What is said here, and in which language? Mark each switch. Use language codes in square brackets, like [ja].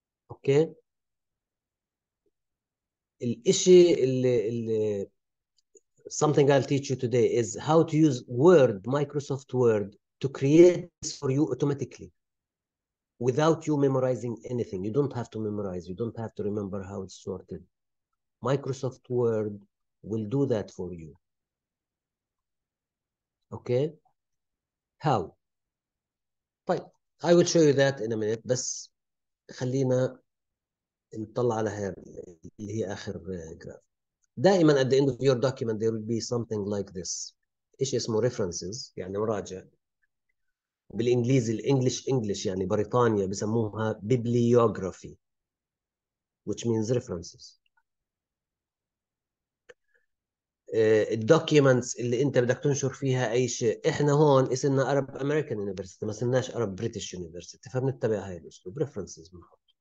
[ar] اوكي، الاشي اللي [en] something I'll teach you today is how to use Word, Microsoft Word, to create this for you automatically without you memorizing anything. You don't have to memorize. You don't have to remember how it's sorted. Microsoft Word will do that for you. Okay? How? [ar] طيب, [en] I will show you that in a minute, [ar] بس خلينا نطلع على هاي اللي هي آخر جراف. [en] دائما at the end of your document there will be something like this. [ar] ايش اسمه references، يعني مراجع. بالانجليزي الانجليش انجليش يعني بريطانيا بسموها bibliography [en] which means references. [ar] الدوكيومنتس اللي انت بدك تنشر فيها اي شيء، احنا هون اسمنا Arab American University ما اسمناش Arab British University، فبنتبع هاي الاسلوب references بنحط.